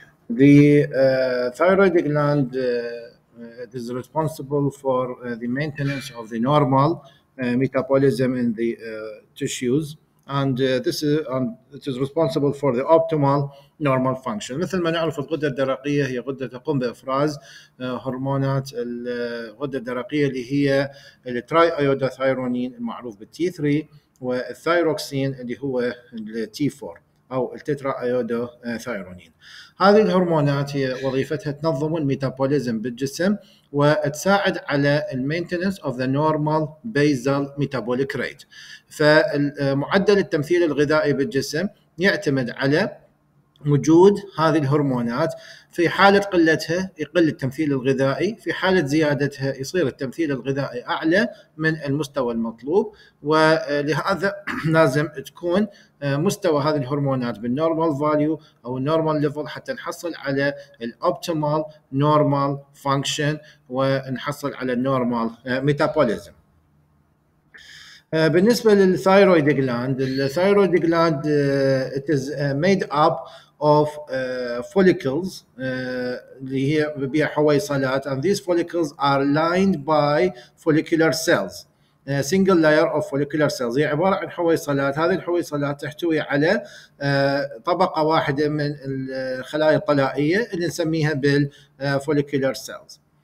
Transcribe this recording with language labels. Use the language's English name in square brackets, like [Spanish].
[English] The thyroid gland is responsible for the maintenance of the normal metabolism in the tissues, and this is it is responsible for the optimal normal function. [Arabic] مثل ما نعرف الغدة الدرقية هي غدة تقوم بإفراز هرمونات الغدة الدرقية اللي هي التراي أيودوثايرونين المعروف بالتي 3 والثايروكسين اللي هو التي 4 أو التترا أيودوثايرونين. هذه الهرمونات هي وظيفتها تنظم الميتابوليزم بالجسم وتساعد على المينتنس [English] of the normal basal metabolic rate. [Arabic] فمعدل التمثيل الغذائي بالجسم يعتمد على وجود هذه الهرمونات. في حالة قلتها يقل التمثيل الغذائي، في حالة زيادتها يصير التمثيل الغذائي أعلى من المستوى المطلوب، ولهذا لازم تكون مستوى هذه الهرمونات بالنورمال فاليو أو النورمال ليفل حتى نحصل على الأوبتيمال نورمال فانكشن ونحصل على النورمال ميتابوليزم. بالنسبة للثايرويد جلاند، الثايرويد جلاند [English] it is made up of follicles [Arabic] اللي هي بيها حويصلات, [English] and these follicles are lined by follicular cells, single layer of follicular cells. [Arabic] هي عبارة عن حويصلات, هذه الحويصلات تحتوي على طبقة واحدة من الخلايا الطلائية اللي نسميها بال follicular cells.